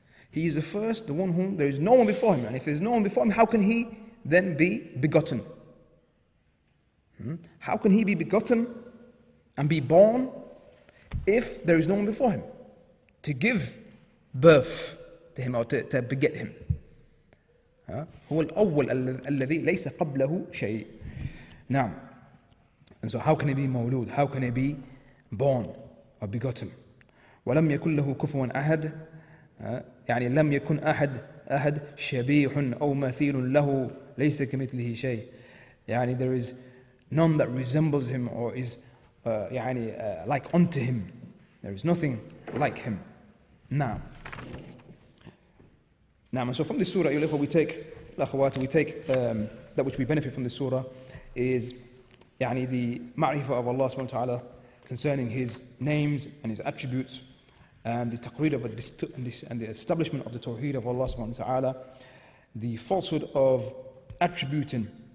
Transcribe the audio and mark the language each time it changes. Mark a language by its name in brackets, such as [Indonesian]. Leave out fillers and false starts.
[English] He is the first, the one whom there is no one before him. And if there is no one before him, how can he then be begotten? How can he be begotten and be born if there is no one before him to give birth to him or to beget him? [Arabic] هو الأول الذي ليس قبله شيء. [English] Now, and so how can he be مولود? How can he be born or begotten? [Arabic] ولم يكن له كفوا أحد. يعني لم يكن أحد شبيح أو مثيل له ليس كمثله شيء. [English] يعني there is none that resembles him or is like unto him. There is nothing like him. Now. Now, so from this surah, what we take, الأخوات, we take that which we benefit from this surah is يعني, the ma'rifah of Allah subhanahu wa ta'ala concerning his names and his attributes, and the taqreer of and the establishment of the tawheed of Allah subhanahu wa ta'ala, the falsehood of attributing